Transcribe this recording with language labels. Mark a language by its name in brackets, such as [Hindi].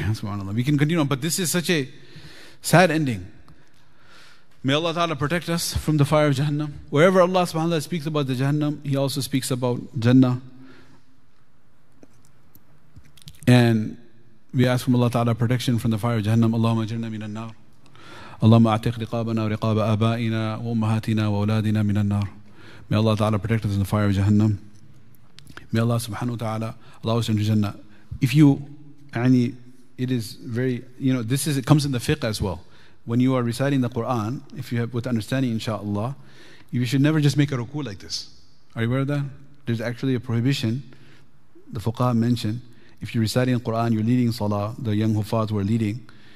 [English] SubhanAllah. We can continue on, but this is such a sad ending. May Allah Ta'ala protect us from the fire of Jahannam. Wherever Allah SubhanAllah speaks about the Jahannam, He also speaks about Jannah. And we ask from Allah Ta'ala protection from the fire of Jahannam. [Arabic] اللهم أجرنا من النار اللهم أعتق رقابنا ورقاب آبائنا وأمهاتنا وأولادنا من النار [English] May Allah Ta'ala protect us in the fire of Jahannam. May Allah subhanahu wa ta'ala allow us into Jannah. If you, it is very, you know, this is, it comes in the fiqh as well. When you are reciting the Quran, if you have with understanding, inshallah, you should never just make a ruku like this. Are you aware of that? There's actually a prohibition. The fuqaha mentioned, if you're reciting the Quran, you're leading salah, the young hufaz were leading.